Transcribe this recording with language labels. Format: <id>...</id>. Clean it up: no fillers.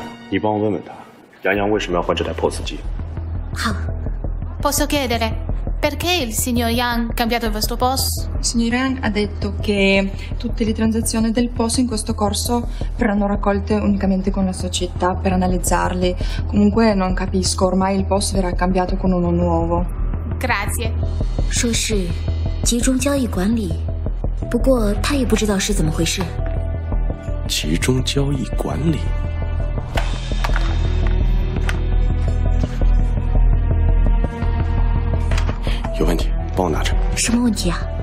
<zh>你帮我问问他，杨洋为什么要换这台 POS 机？好。</zh> <it>Posso chiedere perché il signor Yang ha cambiato il vostro POS? Il signor Yang ha detto che tutte le transazioni del POS in questo corso verranno raccolte unicamente con la società per analizzarle. Comunque non capisco, ormai il POS verrà cambiato con uno nuovo. Grazie.</it> <zh>说是集中交易管理，不过他也不知道是怎么回事。集中交易管理。有问题，帮我拿着。什么问题啊？</zh>